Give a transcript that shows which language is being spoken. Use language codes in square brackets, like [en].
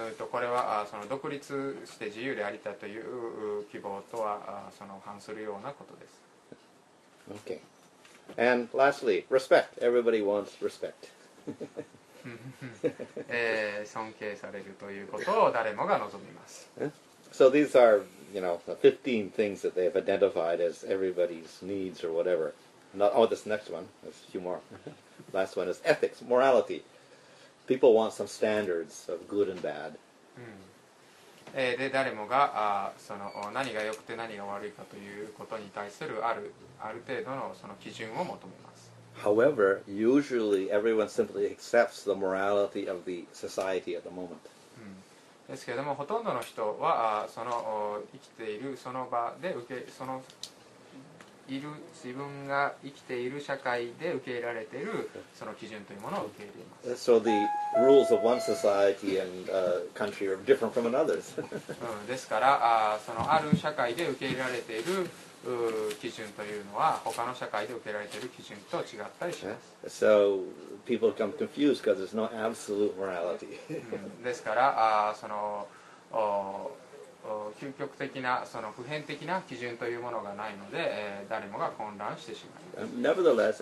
[ja] これはその独立して自由でありたいという希望とはその反するようなことです。 [en] Okay. And lastly, respect. Everybody wants respect. [ja] 尊敬されるということを誰もが望みます。 [en] So these are, you know, the 15 things that they have identified as everybody's needs or whatever. Not, oh, this next one. There's a few more. Last one is ethics, morality. People want some standards of good and bad. [ja] で誰もがその何が良くて何が悪いかということに対するある程度のその基準を求めます。 [en] However, usually everyone simply accepts the morality of the society at the moment. [ja] ですけれども、ほとんどの人はその生きているその場で受けそのいる自分が生きている社会で受け入れられているその基準というものを受け入れます。 [en] So the rules of one society and country are different from another's. [ja] ですから、そのある社会で受け入れられている基準というのは他の社会で受け入れられている基準と違ったりします。 [en] So people become confused because there's no absolute morality. [ja] ですから、その究極的なその普遍的な基準というものがないので、誰もが混乱してしまいます。